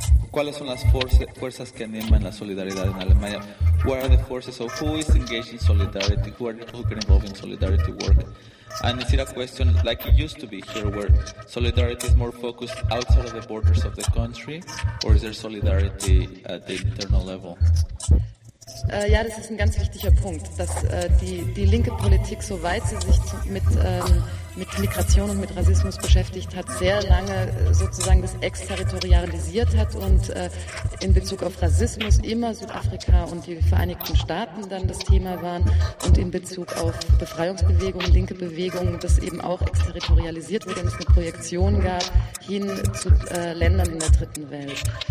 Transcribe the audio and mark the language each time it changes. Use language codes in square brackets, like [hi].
[es] ¿Cuáles son las fuerzas que animan la solidaridad en Alemania? [en] What are the forces of who is engaged in solidarity? Who are the people who get involved in solidarity work? And is it a question like it used to be here, where solidarity is more focused outside of the borders of the country, or is there solidarity at the internal level? [de] Ja, das ist ein ganz wichtiger Punkt, dass die linke Politik, soweit sie sich mit mit Migration und mit Rassismus beschäftigt hat, sehr lange sozusagen das exterritorialisiert hat und in Bezug auf Rassismus immer Südafrika und die Vereinigten Staaten dann das Thema waren und in Bezug auf Befreiungsbewegungen, linke Bewegungen, das eben auch exterritorialisiert wurde und es eine Projektion gab hin zu Ländern in der Dritten Welt.